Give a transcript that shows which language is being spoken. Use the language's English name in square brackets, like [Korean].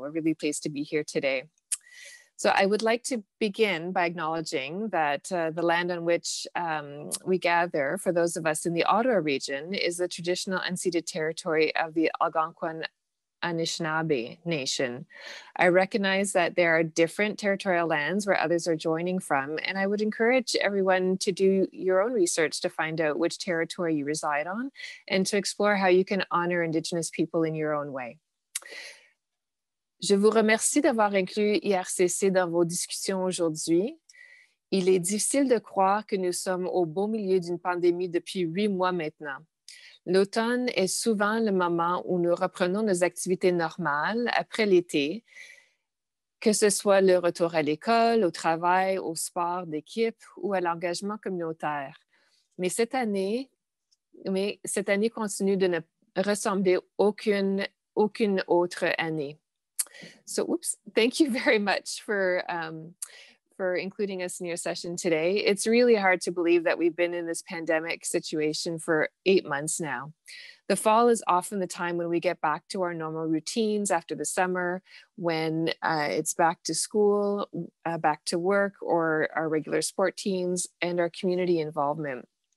[English] We're really pleased to be here today. So I would like to begin by acknowledging that the land on which we gather, for those of us in the Ottawa region, is the traditional unceded territory of the Algonquin Anishinaabe Nation. I recognize that there are different territorial lands where others are joining from, and I would encourage everyone to do your own research to find out which territory you reside on and to explore how you can honor Indigenous people in your own way. [French] Je vous remercie d'avoir inclus IRCC dans vos discussions aujourd'hui. Il est difficile de croire que nous sommes au beau milieu d'une pandémie depuis 8 mois maintenant. L'automne est souvent le moment où nous reprenons nos activités normales après l'été, que ce soit le retour à l'école, au travail, au sport d'équipe ou à l'engagement communautaire. Mais cette année continue de ne ressembler aucune autre année. [English] So, oops, thank you very much for including us in your session today. It's really hard to believe that we've been in this pandemic situation for 8 months now. The fall is often the time when we get back to our normal routines after the summer, when it's back to school, back to work, or our regular sport teams and our community involvement.